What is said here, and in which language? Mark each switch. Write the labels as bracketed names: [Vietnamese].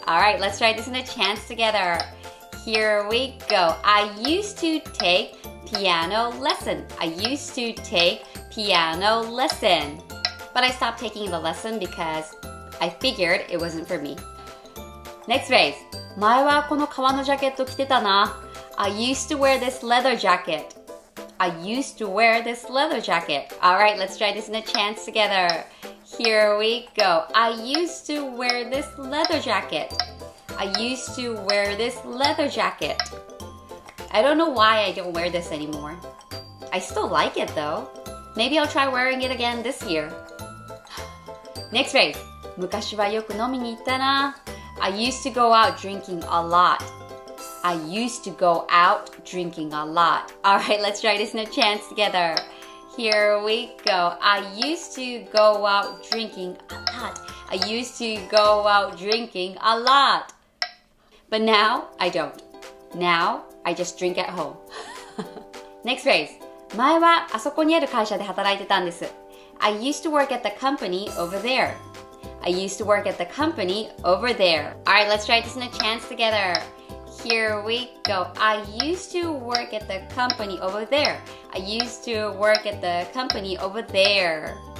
[English] All right, let's try this in a chant together. Here we go. I used to take piano lesson. I used to take piano lesson. But I stopped taking the lesson because I figured it wasn't for me. Next phrase. [Japanese] 前はこの革のジャケット着てたな。 [English] I used to wear this leather jacket. I used to wear this leather jacket. All right, let's try this in a chant together. Here we go. I used to wear this leather jacket. I used to wear this leather jacket. I don't know why I don't wear this anymore. I still like it though. Maybe I'll try wearing it again this year. Next phrase. [Japanese] 昔はよく飲みに行ったな。 [English] I used to go out drinking a lot. I used to go out drinking a lot. All right, let's try this in a chant together. Here we go. I used to go out drinking a lot. I used to go out drinking a lot. But now, I don't. Now, I just drink at home. Next phrase. [Japanese] 前はあそこにある会社で働いてたんです。 [English] I used to work at the company over there. I used to work at the company over there. All right, let's try this in a chant together. Here we go. I used to work at the company over there. I used to work at the company over there.